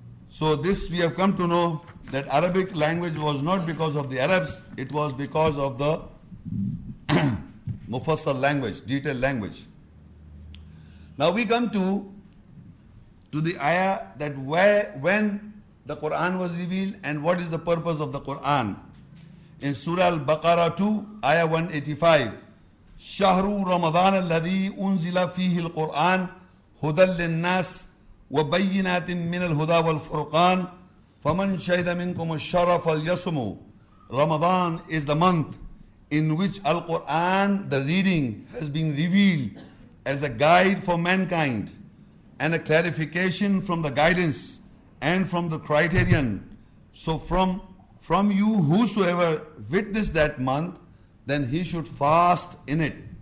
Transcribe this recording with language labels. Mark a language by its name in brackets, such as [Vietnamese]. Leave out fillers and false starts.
[English] So this we have come to know, that Arabic language was not because of the Arabs, it was because of the mufassal language, detailed language. Now we come to the ayah that when the Quran was revealed and what is the purpose of the Quran. In Surah Al-Baqarah 2, ayah 185, [Arabic] شهر رمضان الذي أنزل فيه القرآن هدى للناس وبينات من الهدى والفرقان فمن شهد منكم الشهر فليصمه. [English] Ramadan is the month in which Al-Quran, the reading, has been revealed as a guide for mankind and a clarification from the guidance and from the criterion. So from you, whosoever witnessed that month, then he should fast in it.